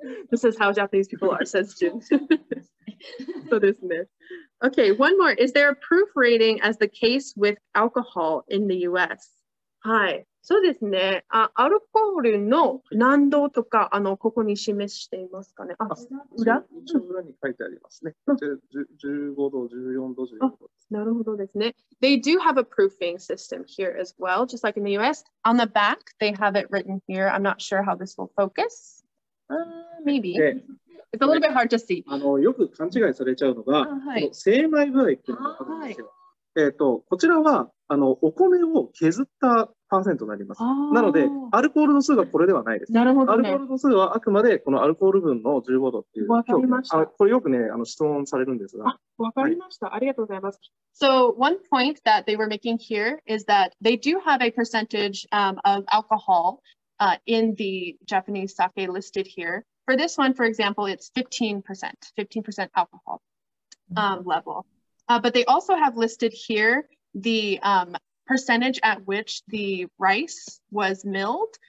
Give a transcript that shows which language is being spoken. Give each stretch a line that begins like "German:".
English: This is how Japanese people are, says Jun. So this is it. Okay, one more. Is there a proof rating as the case with alcohol in the U.S.? Hi.
Japanese: そうですね。あ、アルコールの何度とか、あの、ここに示していますかね。あ、裏？裏に書いてありますね。 15度、14度、15度。なるほどですね。
English: They do have a proofing system here as well, just like in the US. On the back, they have it written here. I'm not sure how this will focus. Maybe. It's a little bit hard to see.
Japanese: あの、よく勘違いされちゃうのが、精米具合っていうのがあるんですよ。こちらはあのお米を削ったパーセントになります。なので、アルコールの数がこれではないです。なるほどね、アルコールの数はあくまでこのアルコール分の15度っていう。わかりました。これよくね、あの質問されるんですが。わかりました、はい。ありがとうございます。
English: So, one point that they were making here is that they do have a percentage、of alcohol、in the Japanese sake listed here. For this one, for example, it's 15%, 15% alcohol、level. But they also have listed here the、percentage at which the rice was milled.